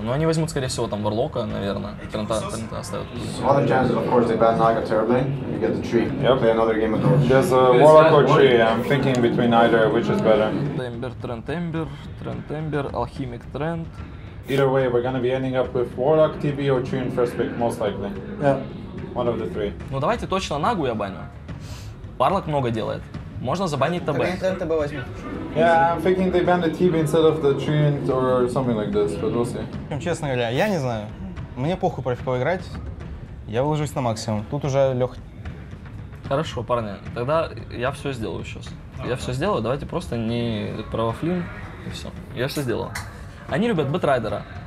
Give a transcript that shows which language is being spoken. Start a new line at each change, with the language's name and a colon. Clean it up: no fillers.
Russian: Но они возьмут, скорее всего, там варлока, наверное. Трента оставят.
English: One of the chances, of course, they ban Naga terribly. You get the tree. Yep. Play another game of Dota. There's a warlock or tree. I'm thinking between either, which is better. Ember, Trent Ember, Trent Ember, Alchemic Trent. Either way, we're gonna be ending up with Warlock TB or Tree in first pick, most likely. Yeah. One of the three.
Russian: Ну давайте точно Нагу я баню. Warlock много делает. Можно забанить ТБ.
English: Yeah, I'm thinking they ban the TB instead of the Tree in or something like this, but we'll see.
Russian: Честно говоря, я не знаю. Мне похуй про кого играть. Я выложусь на максимум. Тут уже лёг. Хорошо, парни. Тогда я все сделаю сейчас. Я все сделаю. Давайте просто не провофлим и все. Я все сделаю. Они любят Бетрайдера.